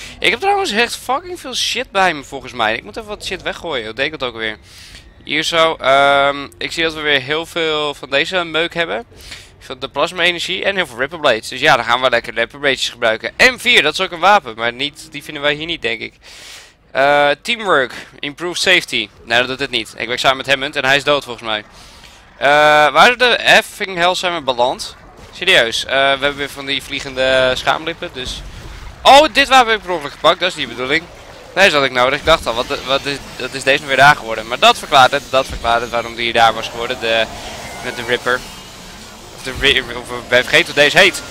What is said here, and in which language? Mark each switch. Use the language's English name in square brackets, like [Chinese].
[Dutch] Ik heb trouwens echt fucking veel shit bij me volgens mij. Ik moet even wat shit weggooien. Dat deed ik het ook weer. Hier zo. Ik zie dat we weer heel veel van deze meuk hebben. Van de plasma energie en heel veel Ripper Blades. Dus ja, dan gaan we lekker Ripper Blades gebruiken. M4, dat is ook een wapen, maar niet, die vinden wij hier niet, denk ik. [English] Teamwork, improve safety. [Dutch] Nee, dat doet het niet. Ik werk samen met Hammond en hij is dood volgens mij. Waar de [English] effing hell [Dutch] zijn we beland? Serieus, we hebben weer van die vliegende schaamlippen, dus... Oh, dit wapen heb ik per ongeluk gepakt, dat is niet de bedoeling. Deze had ik nodig, ik dacht al, wat is deze nou weer daar geworden? Maar dat verklaart het waarom die daar was geworden, met de Ripper. Ben vergeten hoe deze heet.